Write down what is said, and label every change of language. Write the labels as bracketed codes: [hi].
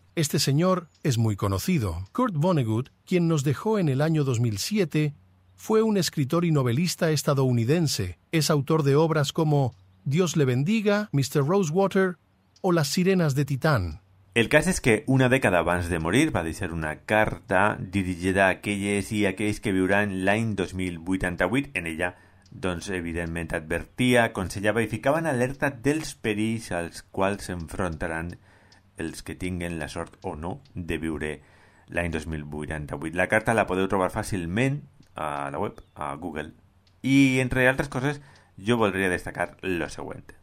[es] Este señor es muy conocido. Kurt Vonnegut, quien nos dejó en el año 2007, fue un escritor y novelista estadounidense. Es autor de obras como Dios le bendiga, Mr. Rosewater o Las sirenas de Titán. El caso es que una década antes de morir va a decir una carta dirigida a aquellos y aquellos [ca] que viurán l'any 2088. En ella, doncs, evidentment advertia, aconsellava i ficava en alerta dels perills als quals s'enfrontaran els que tinguen la sort o no de viure l'any 2088. La carta la podeu trobar fàcilment a la web, a Google. I, entre altres coses, [es] yo volvería a destacar lo siguiente.